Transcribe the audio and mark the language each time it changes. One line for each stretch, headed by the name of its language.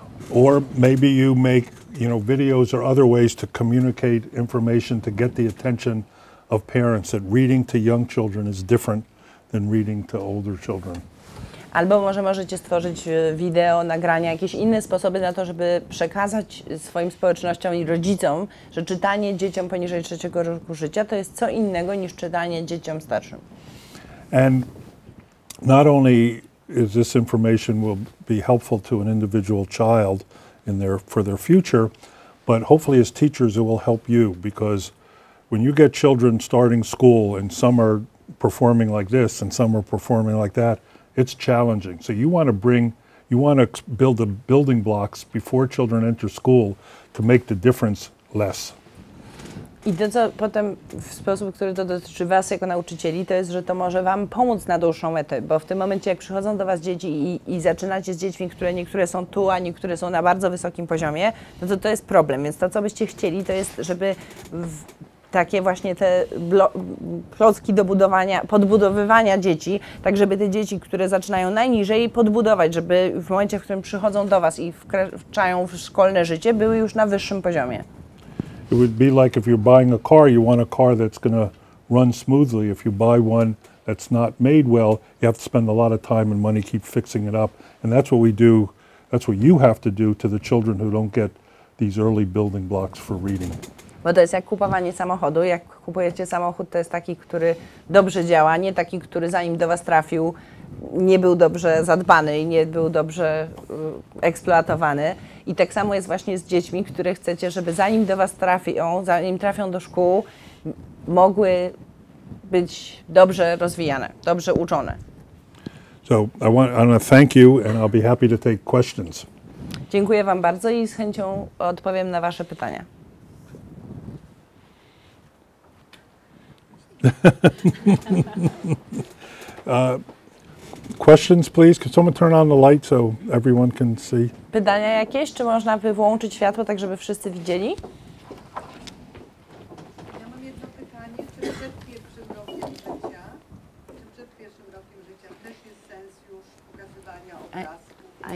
English: Or maybe you make, you know, videos or other ways to communicate information to get the attention of parents that reading to young children is different than reading to older children.
Polish: Albo może możecie stworzyć wideo, nagrania, jakieś inne sposoby na to, żeby przekazać swoim społecznościom i rodzicom, że czytanie dzieciom poniżej 3 roku życia to jest co innego niż czytanie dzieciom starszym.
English: And not only is this information will be helpful to an individual child in their for their future, but hopefully as teachers it will help you because when you get children starting school and some are performing like this and some are performing like that, it's challenging. So you want to bring, you want to build the building blocks before children enter school to make the difference less.
Polish: I to, co potem w sposób, który to dotyczy was jako nauczycieli, to jest, że to może wam pomóc na dłuższą metę, bo w tym momencie, jak przychodzą do was dzieci i zaczynacie z dziećmi, które niektóre są tu, a niektóre są na bardzo wysokim poziomie, no to jest problem. Więc to, co byście chcieli, to jest, żeby takie właśnie te klocki do budowania, podbudowywania dzieci, tak żeby te dzieci, które zaczynają najniżej, podbudować, żeby w momencie, w którym przychodzą do was i wkraczają w szkolne życie, były już na wyższym poziomie.
English: It would be like if you're buying a car, you want a car that's going to run smoothly. If you buy one that's not made well, you have to spend a lot of time and money keep fixing it up. And that's what we do, that's what you have to do to the children who don't get these early building blocks for reading.
Polish: Bo to jest jak kupowanie samochodu. Jak kupujecie samochód, to jest taki, który dobrze działa, nie taki, który zanim do was trafił, nie był dobrze zadbany i nie był dobrze eksploatowany. I tak samo jest właśnie z dziećmi, które chcecie, żeby zanim do was trafią, zanim trafią do szkół, mogły być dobrze rozwijane, dobrze uczone.
English: So I want to thank you and I'll be happy to take questions.
Polish: Dziękuję wam bardzo i z chęcią odpowiem na wasze pytania.
English: uh, questions, please? Could someone turn on the light so everyone can see?
Polish: Pytania jakieś? Czy można by włączyć światło, tak żeby wszyscy widzieli? Ja mam jedno pytanie. Czy przed pierwszym rokiem życia, też jest sens już pokazywania obrazku?